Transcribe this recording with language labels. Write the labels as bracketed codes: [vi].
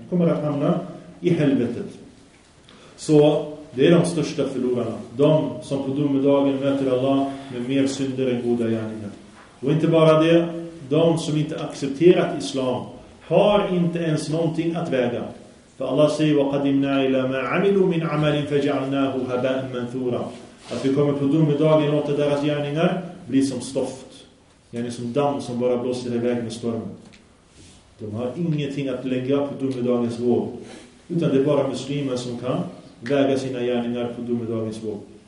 [sv] Kommer att hamna i helvetet. Så det är de största förlorarna. De som på domedagen möter Allah med mer synder än goda gärningar. Och inte bara det. De som inte accepterat islam har inte ens någonting att väga. För Allah säger: [ar] وَقَدِمْنَا إِلَى مَا عَمِلُوا مِنْ عَمَلٍ فَجَعَلْنَاهُ هَبَاءً مَنْثُورًا. [sv] Att vi kommer på domedagen och låter deras gärningar bli som stoft. Yani som damm som bara blåser iväg med stormen. De har ingenting att lägga på domedagens våg. Utan det är bara muslimer som kan väga sina gärningar på domedagens våg.